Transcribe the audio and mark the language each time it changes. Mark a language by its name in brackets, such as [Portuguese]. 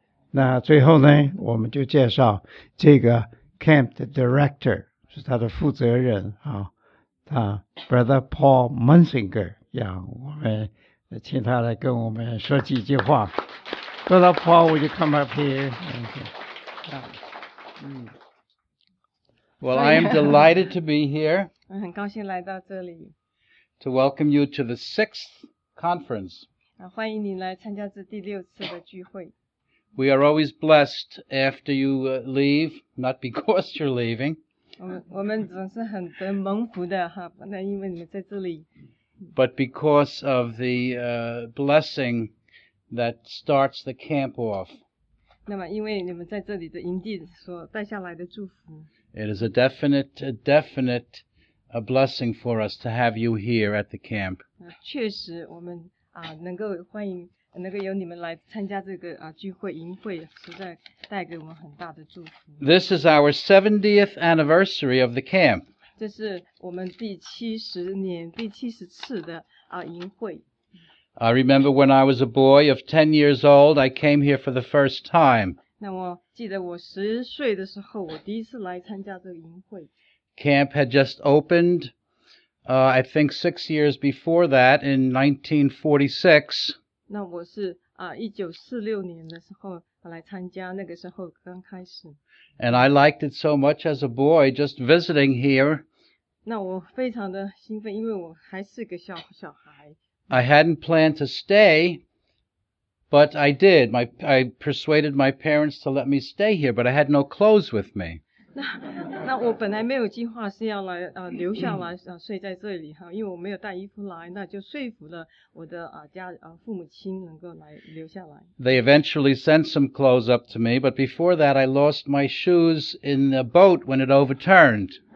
[Chinese] 那最后呢，我们就介绍这个 camp 的 director 是他的负责人啊。 Brother Paul Munsinger, yeah, 我们请他来跟我们说几句话。 [English] Brother Paul, would you come up here? Well, I am delighted to be here. [Chinese] 很高兴来到这里。 [English] To welcome you to the 6th conference. [Chinese] 欢迎你来参加这第六次的聚会。 [English] We are always blessed after you leave, not because you're leaving. [Chinese] 我们总是很蒙福的哈，那因为你们在这里。 [English] But because of the blessing that starts the camp off. [Chinese] 那么因为你们在这里的营地所带下来的祝福。 [English] It is a definite blessing for us to have you here at the camp. [Chinese] 确实，我们能够欢迎能够有你们来参加这个聚会营会，实在带给我们很大的祝福。 [English] This is our 70th anniversary of the camp. [Chinese] 这是我们第七十年第七十次的营会。 [English] I remember when I was a boy of 10 years old, I came here for the first time. [Chinese] 那我记得我十岁的时候，我第一次来参加这个营会。 [English] Camp had just opened, I think 6 years before that, in 1946. [Chinese] 那我是1946年的时候来参加，那个时候刚开始。 [English] And I liked it so much as a boy just visiting here. [Chinese] 那我非常的兴奋，因为我还是个小孩。 [English] I hadn't planned to stay, but I did. I persuaded my parents to let me stay here, but I had no clothes with me. [Chinese] 那我本来没有计划是要来留下来睡在这里哈，因为我没有带衣服来，那就说服了我的家父母亲能够来留下来。 [English] They eventually sent some clothes up to me, but before that I lost my shoes in the boat when it overturned.